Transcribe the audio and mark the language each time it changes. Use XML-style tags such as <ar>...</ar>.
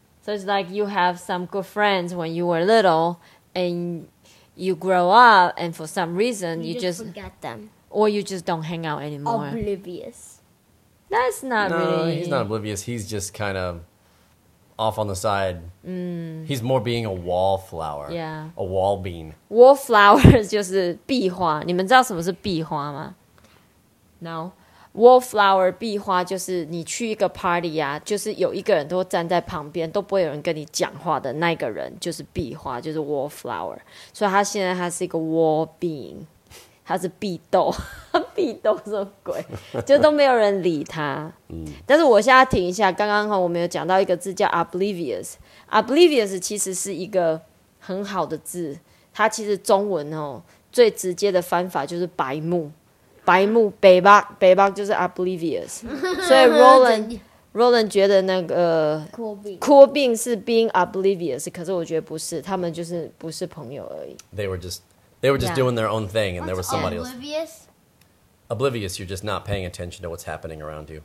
<en>So it's like you have some good friends when you were little... And you grow up, and for some reason, you just forget them. Or you just don't hang out anymore. Oblivious. That's not no, really... No, he's not oblivious. He's just kind of off on the side. He's more being a wallflower. Yeah. A wall bean.</en> <zh>Wallflower 就是壁花。你们知道什么是壁花吗 ？</zh> <en>No.</en> <zh>Wallflower 壁花就是你去一个 party 啊，就是有一个人都站在旁边，都不会有人跟你讲话的那个人就是壁花，就是 wallflower。所以他现在他是一个 wall being， 他是壁豆，壁豆什么鬼？就都没有人理他。但是我现在停一下，刚刚我们有讲到一个字叫 oblivious， oblivious 其实是一个很好的字，它其实中文哦最直接的翻法就是白目。白目北巴就是 oblivious， 所以 Roland 觉得那个</zh> <en>cool</en> <zh>bean 是</zh> <en>being oblivious，</en> <zh>可是我觉得不是，他们就是不是朋友而已。</zh> <en>They were just、yeah. doing their own thing, and there was somebody else. Oblivious. Oblivious, you're just not paying attention to what's happening around you.</en>